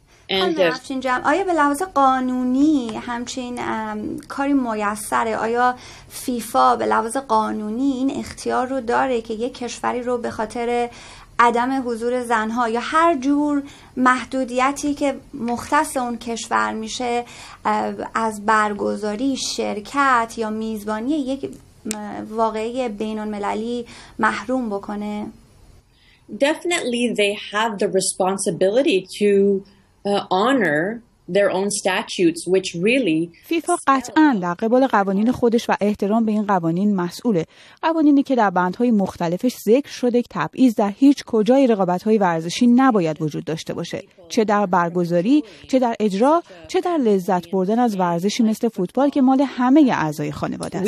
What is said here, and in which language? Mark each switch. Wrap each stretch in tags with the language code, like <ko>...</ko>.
<fa>خانم افشین جم، آیا به لحاظ قانونی همچین کاری میسره؟ آیا فیفا به لحاظ قانونی این اختیار رو داره که یک کشوری رو به خاطر عدم حضور زنها یا هر جور محدودیتی که مختص اون کشور میشه از برگزاری شرکت یا میزبانی یک واقعه بین المللی محروم بکنه؟</fa> <en>Definitely they have the responsibility to honor their own statutes, which really</en> <fa>فیفا قطعاً در قبال قوانین خودش و احترام به این قوانین مسئوله. قوانینی که در بندهای مختلفش ذکر شده که تبعیض در هیچ کجای رقابت‌های ورزشی نباید وجود داشته باشه، چه در برگزاری، چه در اجرا، چه در لذت بردن از ورزشی مثل فوتبال که مال همه اعضای خانواده است.</fa>